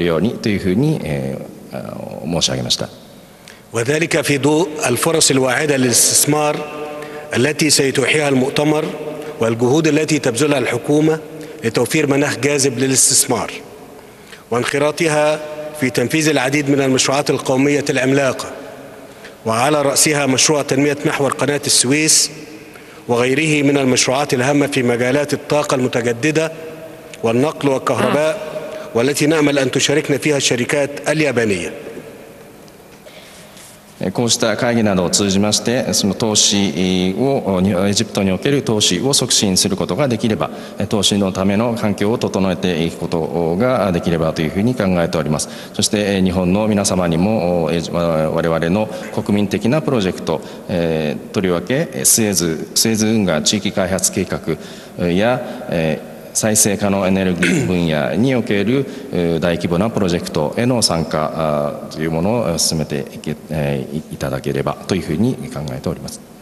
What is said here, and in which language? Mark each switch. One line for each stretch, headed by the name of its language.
Japanese: そして、これに関しまして、3月のエジプト経済開発会議が、シャルムエルシェイクで開催されますけれども、ここに日本政府の、その参加をいただけるようにというふうに、申し上げました。
Arabic: وذلك في ضوء الفرص الواعدة للاستثمار التي سيتيحها المؤتمر والجهود التي تبذلها الحكومة لتوفير مناخ جاذب للاستثمار وانخراطها في تنفيذ العديد من المشروعات القومية العملاقة، وعلى رأسها مشروع تنمية محور قناة السويس وغيره من المشروعات الهامة في مجالات الطاقة المتجددة والنقل والكهرباء، والتي نأمل أن تشاركنا فيها الشركات اليابانية.
Japanese: こうした会議などを通じまして、その投資をエジプトにおける投資を促進することができれば、投資のための環境を整えていくことができればというふうに考えております。そして日本の皆様にも我々の国民的なプロジェクト、とりわけスエズ運河地域開発計画や再生可能エネルギー分野における大規模なプロジェクトへの参加というものを進めていただければというふうに考えております。